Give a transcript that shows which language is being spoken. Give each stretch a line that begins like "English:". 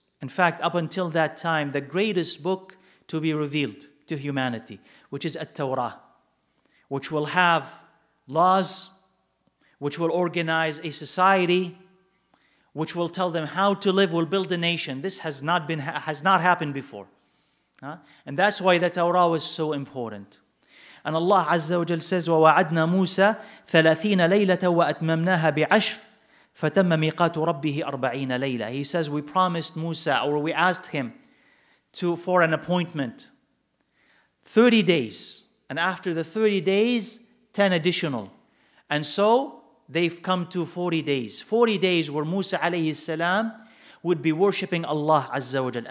English: In fact, up until that time, the greatest book to be revealed to humanity, which is At-Tawrah, which will have laws, which will organize a society, which will tell them how to live, will build a nation. This has not happened before. And that's why the Torah was so important. And Allah Azza wa Jal says,
Arabic: وَوَعَدْنَا مُوسَى ثَلَاثِينَ لَيْلَةً وَأَتْمَمْنَاهَا بِعَشْرٍ فَتَمَّ مِيقَاتُ رَبِّهِ أَرْبَعِينَ لَيْلَةً.
English: He says, we promised Musa, or we asked him for an appointment. 30 days. And after the 30 days, 10 additional. And so they've come to 40 days. 40 days where Musa alayhi salam would be worshiping Allah Azza wa Jal.